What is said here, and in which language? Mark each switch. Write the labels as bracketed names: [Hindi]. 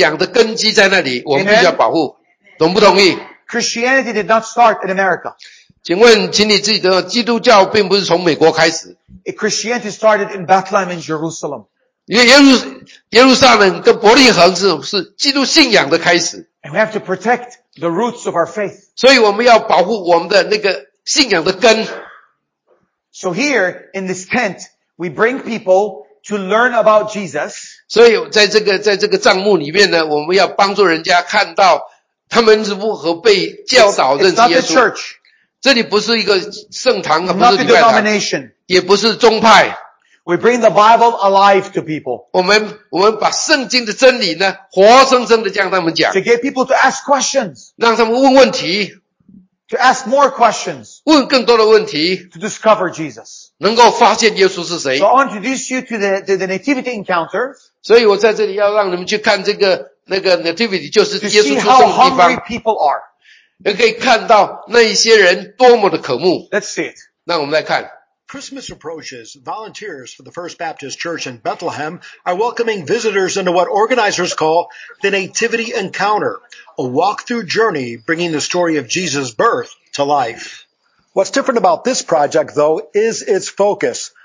[Chinese] 因为我们在那里要保护，那个地方是我们信仰的根基在那里，我们必须要保护。懂不同意？ [English] Christianity did not start in America. [Chinese] 请问，请你记得，基督教并不是从美国开始。 [English] Christianity started in Bethlehem and Jerusalem. [Chinese] 耶路撒冷跟伯利恒是基督信仰的开始。 [English] And we have to protect the roots of our faith. [Chinese] 所以我们要保护我们的那个信仰的根。 [English] So here in this tent, we bring people to learn about Jesus. [Chinese] 所以在这个帐幕里面呢，我们要帮助人家看到他们如何被教导认识耶稣。 [English] It's not the church. [Chinese] 这里不是一个圣堂，不是礼拜堂。也不是宗派, [English] we bring the Bible alive to people. [Chinese] 我们把圣经的真理呢, 活生生地向他们讲, [English] to get people to ask questions. [Chinese] 让他们问问题, [English] to ask more questions. [Chinese] 问更多的问题, [English] to discover Jesus. [Chinese] 能够发现耶稣是谁。 [English] So I'll introduce you to the nativity encounter. [Chinese] 所以我在这里要让你们去看这个nativity, 就是耶稣出生的地方。 [English] To see how hungry people are. [Chinese] 也可以看到那一些人多么的渴慕。 [English] Let's see it. [Chinese] 让我们来看。 [English] Christmas approaches. Volunteers for the First Baptist Church in Bethlehem are welcoming visitors into what organizers call the Nativity Encounter, a walk-through journey bringing the story of Jesus' birth to life. What's different about this project, though, is its focus.